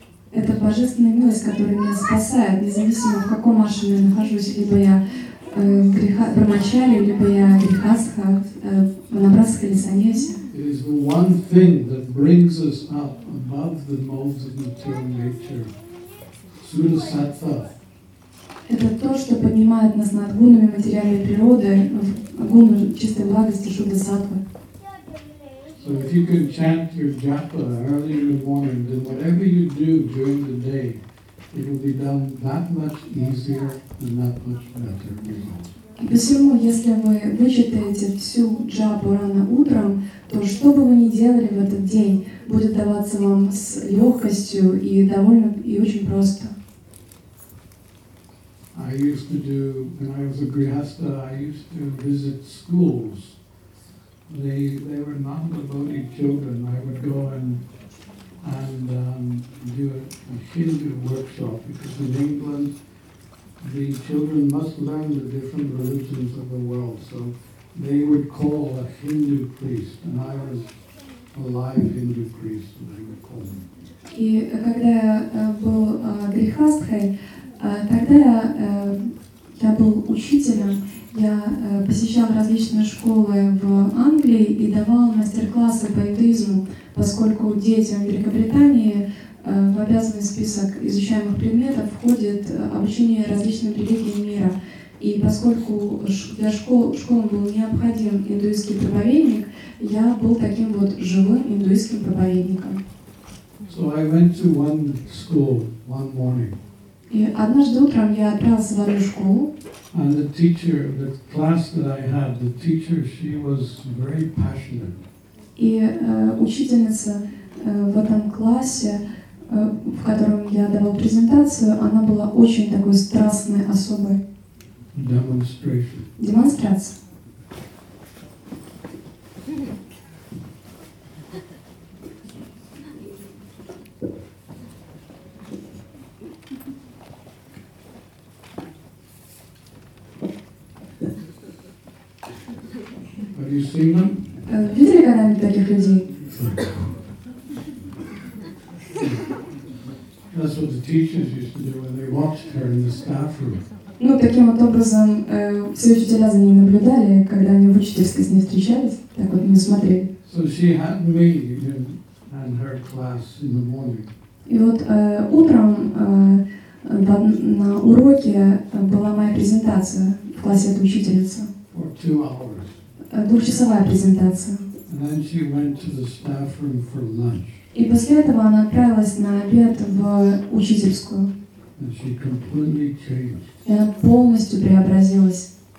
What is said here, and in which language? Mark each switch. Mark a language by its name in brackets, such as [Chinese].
[Russian] Это божественная милость, которая меня спасает, независимо в каком ашраме я нахожусь, либо я брахмачари, либо я грихастха, ванапрастха или саньяси. [English] It is the one thing that brings us up above the modes of material nature. Suddhasattva. [Russian] Это то, что поднимает нас над гунами материальной природы, гуны чистой благости, шуддасаттвы. [English] So if you can chant your japa early in the morning, then whatever you do during the day, it will be done that much easier and that much better. [Russian] И посему, если вы вычитаете всю джапу рано утром, то что бы вы ни делали в этот день, будет даваться вам с легкостью и довольно и очень просто. [English] I used to do, when I was a grihastha, I used to visit schools. They were non-devotee children. I would go and do a Hindu workshop, because in England, the children must learn the different religions of the world. So they would call a Hindu priest, and I was a live Hindu priest, and they would call me. [Russian] И когда я был грихастхой, Тогда я был учителем, я посещал различные школы в Англии и давал мастер-классы по индуизму, поскольку детям в Великобритании в обязанный список изучаемых предметов входит обучение различным религиям мира. И поскольку для школы был необходим индуистский проповедник, я был таким вот живым индуистским проповедником. [English] So I went to one school one morning. [Russian] И однажды утром я отправился в одну школу. [English] And the teacher, the class that I had, the teacher, she was very passionate. [Russian] И учительница в этом классе, в котором я давал презентацию, она была очень такой страстной особой. [English] Demonstration. [Russian] Демонстрация. [English] Have you seen them? [Russian] Видели когда-нибудь таких людей? [English] That's what the teachers used to do when they watched her in the staff room. [Russian] Ну, таким вот образом все учителя за ней наблюдали, когда они в учительской с ней встречались, так вот, не смотрели. [English] So she had me in her class in the morning. [Russian] И вот утром на уроке была моя презентация в классе этой учительницы. [English] For 2 hours. [Russian] Двухчасовая презентация. [English] And then she went to the staff room for lunch. [Russian] И после этого она отправилась на обед в учительскую. [English] And she completely changed. [Russian] И она полностью преобразилась.